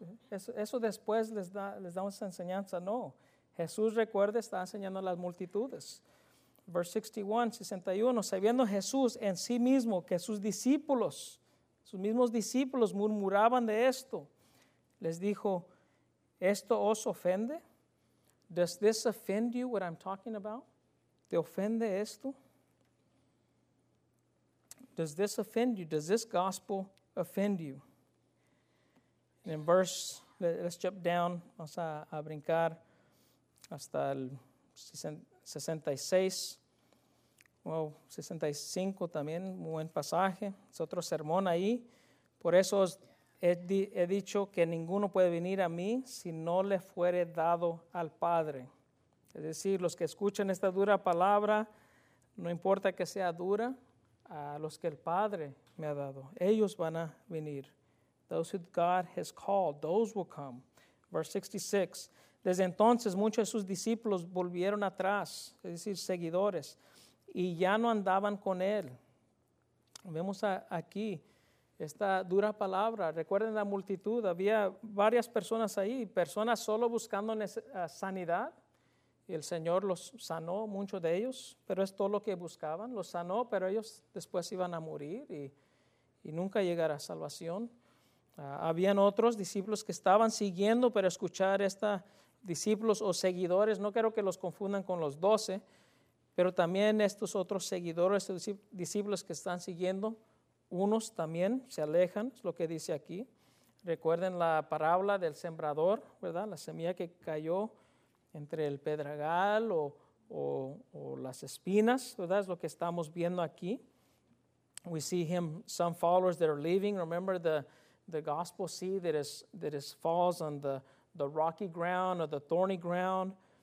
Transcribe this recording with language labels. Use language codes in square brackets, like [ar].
[es] Eso después les da una enseñanza. No. Jesús, recuerde, está enseñando a las multitudes. [en] Verse 61, [es] sabiendo Jesús en sí mismo que sus mismos discípulos murmuraban de esto, les dijo, ¿esto os ofende? [en] Does this offend you, what I'm talking about? [es] ¿Te ofende esto? [en] Does this offend you? Does this gospel offend you? And in verse, let's jump down, [es] vamos a brincar hasta el 66. Well, 65 también, buen pasaje. Es otro sermón ahí. Por eso he dicho que ninguno puede venir a mí si no le fuere dado al Padre. Es decir, los que escuchan esta dura palabra, no importa que sea dura, a los que el Padre me ha dado, ellos van a venir. [en] Those who God has called, those will come. Verse 66. [es] Desde entonces, muchos de sus discípulos volvieron atrás, es decir, seguidores, y ya no andaban con él. Vemos aquí esta dura palabra. Recuerden la multitud. Había varias personas ahí. Personas solo buscando sanidad. Y el Señor los sanó, muchos de ellos. Pero es todo lo que buscaban. Los sanó, pero ellos después iban a morir. Y nunca llegar a salvación. Habían otros discípulos que estaban siguiendo. Pero escuchar esta discípulos o seguidores. No quiero que los confundan con los doce. Pero también estos otros seguidores, estos discípulos que están siguiendo, unos también se alejan, es lo que dice aquí. Recuerden la parábola del sembrador, ¿verdad? La semilla que cayó entre el pedregal o las espinas, ¿verdad? Es lo que estamos viendo aquí. [en] We see him, some followers that are leaving. Remember the gospel seed that falls on the rocky ground or the thorny ground.